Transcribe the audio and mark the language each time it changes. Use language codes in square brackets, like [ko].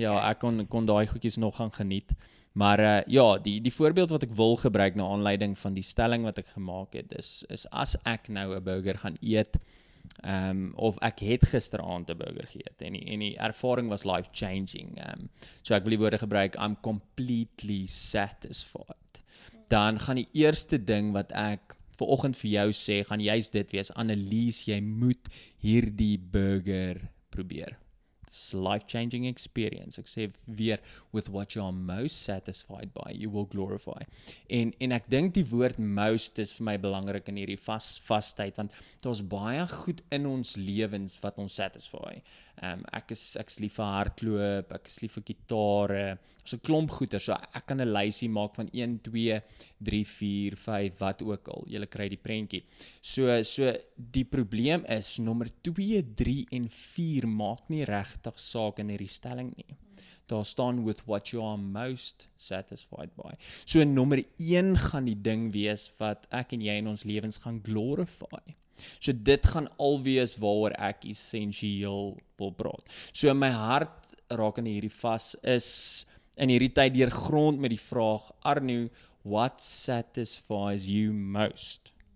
[af] Ja, ek kon daai goedjies nog gaan geniet. Maar die voorbeeld wat ek wil gebruik na aanleiding van die stelling wat ek gemaak het, is as ek nou 'n burger gaan eet, of ek het gisteraand 'n burger geëet en die ervaring was life changing. So ek wil die woorde gebruik, [en] I'm completely satisfied. [af] Dan gaan die eerste ding wat ek vanoggend vir jou sê, gaan juist dit wees, Annelies, jy moet hierdie burger probeer. [en] It's a life-changing experience. [af] Ek sê weer, [en] with what you are most satisfied by, you will glorify. [af] En ek dink die woord most is vir my belangrik in hierdie vastyd, want daar is baie goed in ons lewens wat ons satisfy. Ek is lief vir hardloop, ek is lief vir gitare, as 'n klomp goeder, so ek kan 'n lysie maak van 1, 2, 3, 4, 5, wat ook al, jylle kry die prentjie. So die probleem is, nommer 2, 3 en 4 maak nie regtig saak in hierdie stelling nie. Daar staan [en] with what you are most satisfied by. [af] So nommer 1 gaan die ding wees wat ek en jy in ons lewens gaan glorify. So dit gaan alwees waaroor ek essensieel wil praat. So my hart raak in hierdie vas is in hierdie tyd deur grond met die vraag, Arno, [en] what satisfies you most?